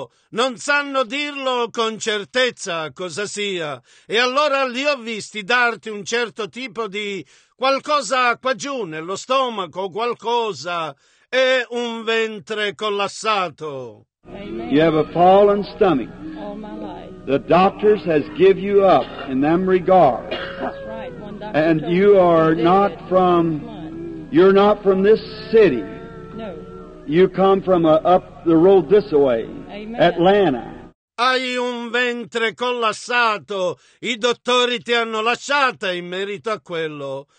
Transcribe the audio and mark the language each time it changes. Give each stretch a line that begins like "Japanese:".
Italian: Non sanno dirlo con certezza cosa sia. E allora li ho visti darti un certo tipo di qualcosa qua giù nello stomaco, qualcosa, e un ventre collassato.
English: Amen. You have a fallen stomach. All my life. The doctors has give you up in them regard. That's right. One doctor and you are not from, you're not from this city. You come from up the road this way. Amen. Atlanta.
Italian: Hai un ventre collassato. I dottori ti hanno lasciata in merito a quello.